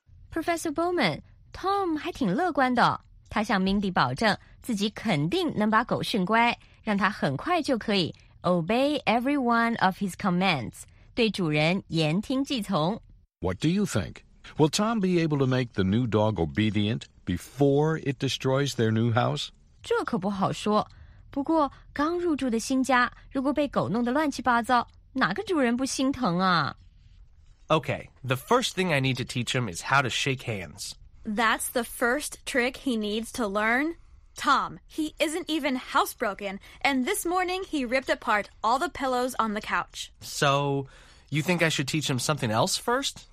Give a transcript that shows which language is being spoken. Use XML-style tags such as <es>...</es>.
<zh>Professor Bowman, Tom 还挺乐观的。他向 Mindy 保证自己肯定能把狗训乖，让他很快就可以</zh> <en>obey every one of his commands，</en> <zh>对主人言听计从。</zh> <en>What do you think? Will Tom be able to make the new dog obedient before it destroys their new house?</en> <zh>这可不好说。不过刚入住的新家，如果被狗弄得乱七八糟，哪个主人不心疼啊？</zh> <en>Okay, the first thing I need to teach him is how to shake hands. That's the first trick he needs to learn? Tom, he isn't even housebroken, and this morning he ripped apart all the pillows on the couch. So, you think I should teach him something else first?</en>